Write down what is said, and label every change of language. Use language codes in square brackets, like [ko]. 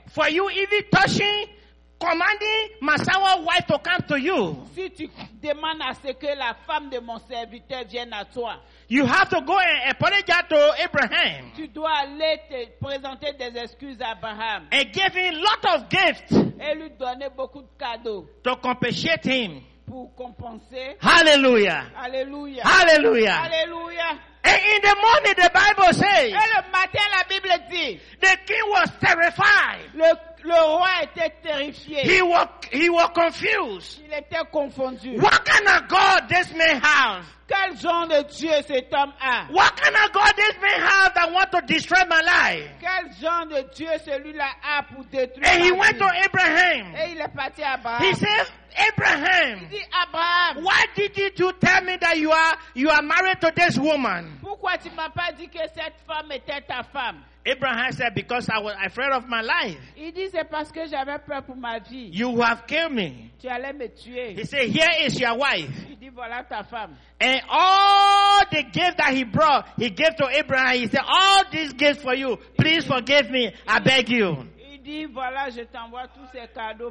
[en] for you even touching, commanding my servant wife to come to you, [fr] si tu demandes à ce que la femme de mon serviteur vienne à toi, [en] you have to go and apologize to Abraham. [fr] Tu dois aller te présenter des excuses à Abraham. [en] And give him a lot of gifts. [fr] Et lui donner beaucoup de cadeaux. [en] To compensate him. [fr] Pour compenser. Hallelujah. Hallelujah. Hallelujah. Hallelujah. [en] And in the morning, the Bible says. [fr] Et le matin, la Bible dit. [en] The king was terrified. [fr] Le roi était terrifié. [en] He was confused. [fr] Il était confondu. [en] What kind of God this man has? [fr] Quel genre de Dieu cet homme a? [en] What kind of God this man has that want to destroy my life? [fr] Quel genre de Dieu celui-là a pour détruire? [en] And he went to Abraham. [fr] Et il est parti à Abraham. [en] He said, Abraham. [fr] Il dit Abraham. [en] Why did you tell me that you are married to this woman? [fr] Pourquoi tu m'as pas dit que cette femme était ta femme? [en] Abraham said, because I was afraid of my life. [fr] Il dit, c'est parce que j'avais peur pour ma vie. [en] You have killed me. [fr] Tu allais me tuer. [en] He said, here is your wife. [fr] Il dit, voilà ta femme. [en] And all the gifts that he brought, he gave to Abraham. He said, all these gifts for you. Please forgive me. I beg you. [fr] Il dit, voilà, je t'envoie tous ces cadeaux.